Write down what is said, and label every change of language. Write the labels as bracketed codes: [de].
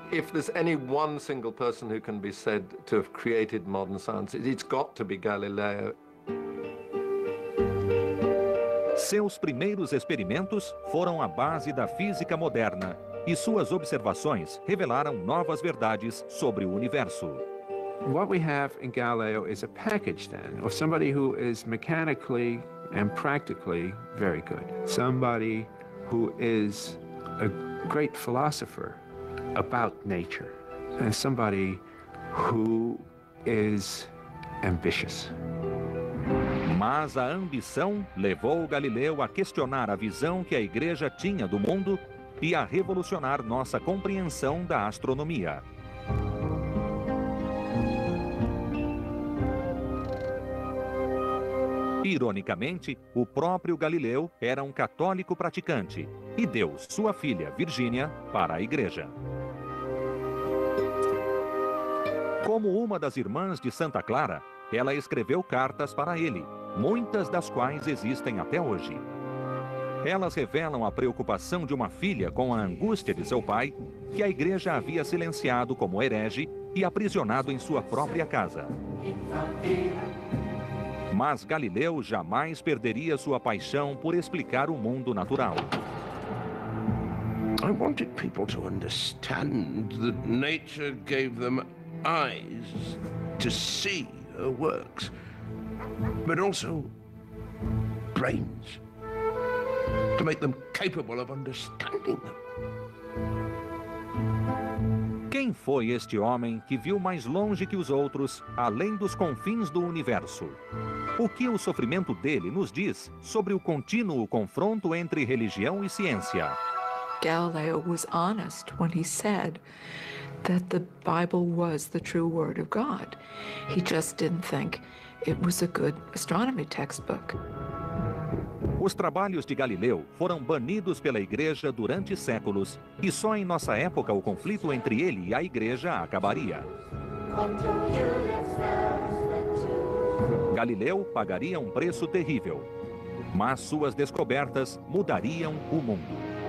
[en] If there's any one single person who can be said to have created modern science, it's got to be Galileo. [pt] Seus primeiros experimentos foram a base da física moderna e suas observações revelaram novas verdades sobre o universo. [en] What we have in Galileo is a package then of somebody who is mechanically and practically very good. Somebody who is a great philosopher about nature and somebody who is ambitious. [pt] Mas a ambição levou Galileu a questionar a visão que a Igreja tinha do mundo e a revolucionar nossa compreensão da astronomia. Ironicamente, o próprio Galileu era um católico praticante e deu sua filha, Virgínia, para a Igreja. Como uma das irmãs de Santa Clara, ela escreveu cartas para ele, muitas das quais existem até hoje. Elas revelam a preocupação de uma filha com a angústia de seu pai, que a Igreja havia silenciado como herege e aprisionado em sua própria casa. Mas Galileu jamais perderia sua paixão por explicar o mundo natural. [en] I wanted people to understand that nature gave them eyes to see her works, but also brains to make them capable of understanding them. [pt] Quem foi este homem que viu mais longe que os outros, além dos confins do universo? O que o sofrimento dele nos diz sobre o contínuo confronto entre religião e ciência? [en] Galileo was honest when he said that the Bible was the true word of God. He just didn't think it was a good astronomy textbook. [pt] Os trabalhos de Galileu foram banidos pela Igreja durante séculos e só em nossa época o conflito entre ele e a Igreja acabaria. Galileu pagaria um preço terrível, mas suas descobertas mudariam o mundo.